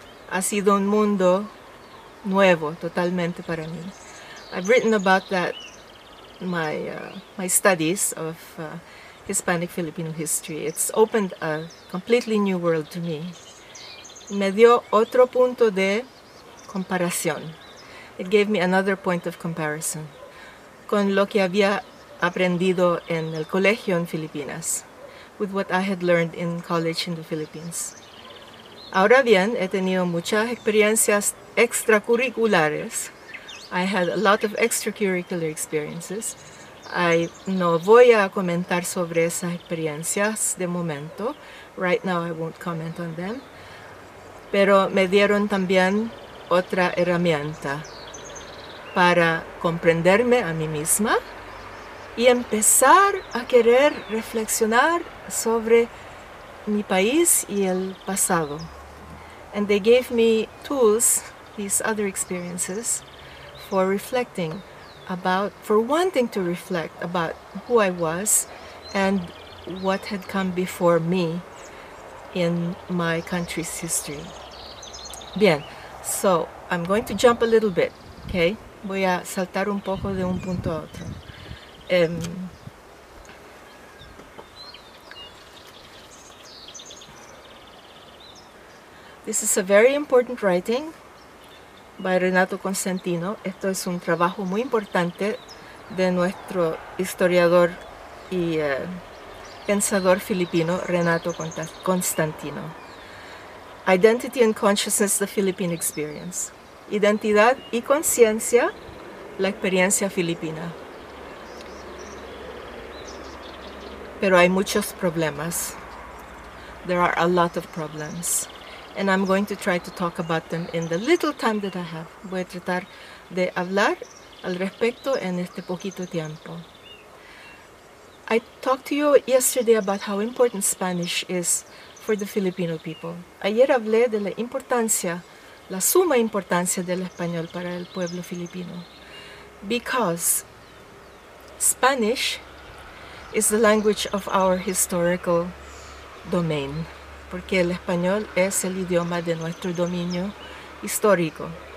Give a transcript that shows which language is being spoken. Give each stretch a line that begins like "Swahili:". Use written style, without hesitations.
Spanish: Ha sido un mundo nuevo totalmente para mí.
English: I've written about that, my studies of Hispanic Filipino history. It's opened a completely new world to me.
Spanish: Me dio otro punto de comparación.
English: It gave me another point of comparison
Spanish: con lo que había aprendido en el colegio en Filipinas,
English: with what I had learned in college in the Philippines.
Spanish: Ahora bien, he tenido muchas experiencias extracurriculares.
English: I had a lot of extracurricular experiences.
Spanish: I no voy a comentar sobre esas experiencias de momento.
English: Right now I won't comment on them.
Spanish: Pero me dieron también otra herramienta para comprenderme a mí misma y empezar a querer reflexionar sobre mi país y el pasado.
English: And they gave me tools, these other experiences, for reflecting about, for wanting to reflect about who I was and what had come before me in my country's history. Bien, so I'm going to jump a little bit, okay?
Spanish: Voy a saltar un poco de un punto a otro.
English: This is a very important writing by Renato Constantino.
Spanish: Esto es un trabajo muy importante de nuestro historiador y pensador filipino, Renato Constantino.
English: Identity and Consciousness, the Philippine Experience.
Spanish: Identidad y conciencia, la experiencia filipina. Pero hay muchos problemas.
English: There are a lot of problems. And I'm going to try to talk about them in the little time that I have.
Spanish: Voy a tratar de hablar al respecto en este poquito tiempo.
English: I talked to you yesterday about how important Spanish is for the Filipino people.
Spanish: Ayer hablé de la importancia, la suma importancia del español para el pueblo filipino.
English: Because Spanish is the language of our historical domain.
Spanish: Porque el español es el idioma de nuestro dominio histórico.